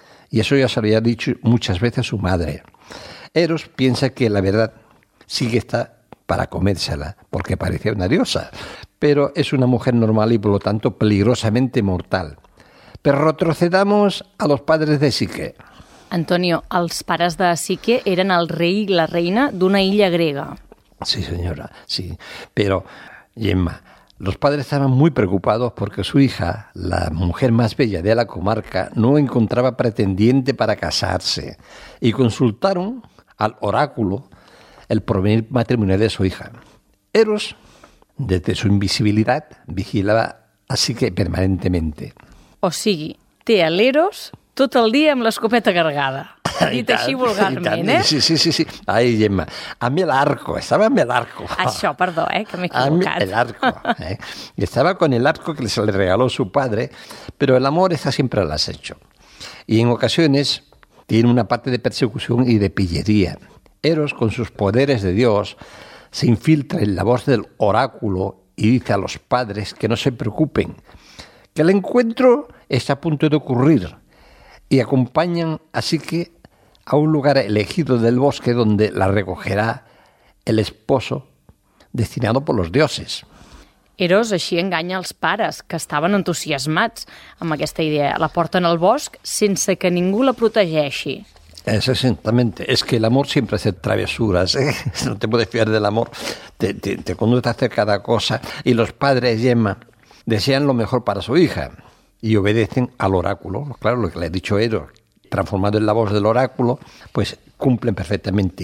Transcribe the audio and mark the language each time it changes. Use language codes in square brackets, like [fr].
[es] Y eso ya se había dicho muchas veces a su madre. Eros piensa que la verdad Psique está para comérsela, porque parecía una diosa, pero es una mujer normal y, por lo tanto, peligrosamente mortal. Pero retrocedamos a los padres de Psique. [ca] Antonio, els pares de Psique eren el rei i la reina d'una illa grega. Sí, senyora, sí. [es] Pero, Gemma, los padres estaban muy preocupados porque su hija, la mujer más bella de la comarca, no encontraba pretendiente para casarse y consultaron al oráculo el porvenir matrimonial de su hija. Eros, desde su invisibilidad, vigilaba a Psique permanentemente. [ca] O sigui, té a l'Eros tot el dia amb l'escopeta cargada. Dit així vulgarment, eh? Sí. Ai, Gemma, amb l'arco, estava amb l'arco. Això, perdó, que m'he equivocat. Amb l'arco, I estava [es] con l'arco que se le regaló su padre, [ca] però l'amor està sempre a l'assetjo. [es] I en ocasiones tiene una parte de persecución y de pillería. Eros, con sus poderes de dios, se infiltra en la voz del oráculo y dice a los padres que no se preocupen, que el encuentro está a punto de ocurrir, y acompañan así que a un lugar elegido del bosque donde la recogerá el esposo destinado por los dioses. [ca] Eros així enganya els pares, que estaven entusiasmats amb aquesta idea. La porten al bosc sense que ningú la protegeixi. [es] Exactamente, es que el amor siempre hace travesuras, ¿eh? No te puedes fiar del amor, te conduce a hacer cada cosa. Y los padres, Gemma, desean lo mejor para su hija y obedecen al oráculo. Claro, lo que le ha dicho Eros, transformado en la voz del oráculo, pues cumplen perfectamente.